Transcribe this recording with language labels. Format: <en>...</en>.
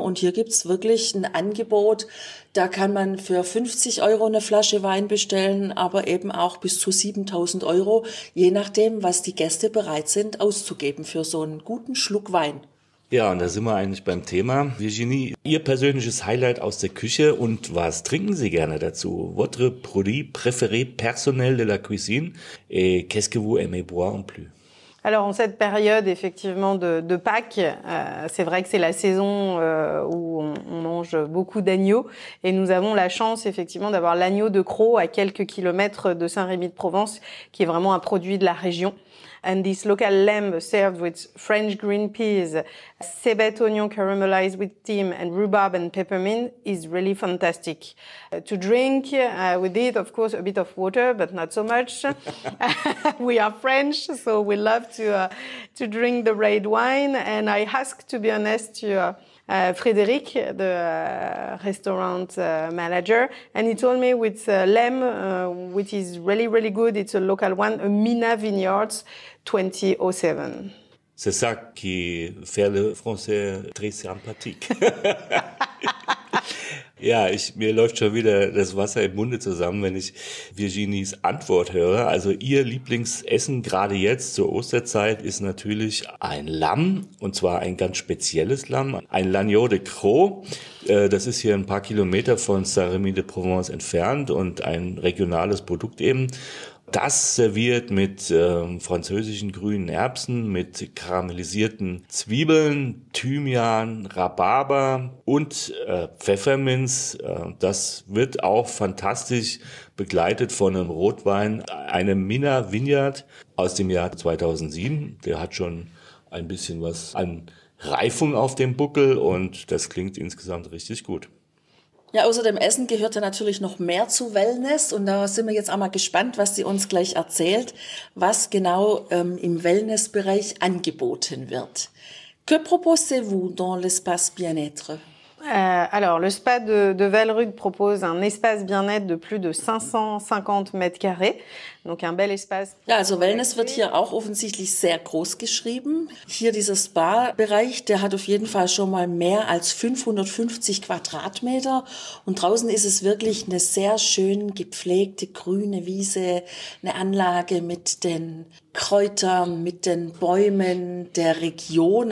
<de>Und hier gibt's wirklich ein Angebot. Da kann man für 50 Euro eine Flasche Wein bestellen, aber eben auch bis zu 7000 Euro, je nachdem, was die Gäste bereit sind auszugeben für so einen guten Schluck Wein. Ja, und da sind wir eigentlich beim Thema. Virginie, Ihr persönliches Highlight aus der Küche und was trinken Sie gerne dazu?</de> <fr>Votre produit préféré personnel de la cuisine et qu'est-ce que vous aimez boire en plus? Alors, en cette période, effectivement, de Pâques, c'est vrai que c'est la saison où on mange beaucoup d'agneaux. Et nous avons la chance, effectivement, d'avoir l'agneau de Croc à quelques kilomètres de Saint-Rémy-de-Provence, qui est vraiment un produit de la région.</fr> <en>And this local lamb served with French green peas, cébette oignon caramelized with thym and rhubarb and peppermint is really fantastic. To drink, we did, of course, a bit of water, but not so much. We are French, so we love to drink the red wine. And I asked, to be honest, Frédéric, the restaurant manager, and he told me with lamb, which is really, really good. It's a local one, a Mina Vineyards 2007.</en> <fr>C'est ça qui fait le français très sympathique.</fr> <de>Ja, mir läuft schon wieder das Wasser im Munde zusammen, wenn ich Virginies Antwort höre. Also ihr Lieblingsessen gerade jetzt zur Osterzeit ist natürlich ein Lamm, und zwar ein ganz spezielles Lamm, ein Lagneau de Croc. Das ist hier ein paar Kilometer von Saint-Rémy-de-Provence entfernt und ein regionales Produkt eben. Das serviert mit französischen grünen Erbsen, mit karamellisierten Zwiebeln, Thymian, Rhabarber und Pfefferminz. Das wird auch fantastisch begleitet von einem Rotwein, einem Mina Vineyard aus dem Jahr 2007. Der hat schon ein bisschen was an Reifung auf dem Buckel und das klingt insgesamt richtig gut. Ja, außer dem Essen gehört ja natürlich noch mehr zu Wellness und da sind wir jetzt auch mal gespannt, was sie uns gleich erzählt, was genau im Wellnessbereich angeboten wird.</de> <fr>Que proposez-vous dans l'espace bien-être? Alors, le spa de Valrug propose un espace bien-être de plus de 550 mètres carrés. Donc, un bel espace.</fr> <de>Ja, also Wellness wird hier auch offensichtlich sehr groß geschrieben. Hier dieser Spa-Bereich, der hat auf jeden Fall schon mal mehr als 550 Quadratmeter. Und draußen ist es wirklich eine sehr schön gepflegte grüne Wiese, eine Anlage mit den Kräutern, mit den Bäumen der Region.</de>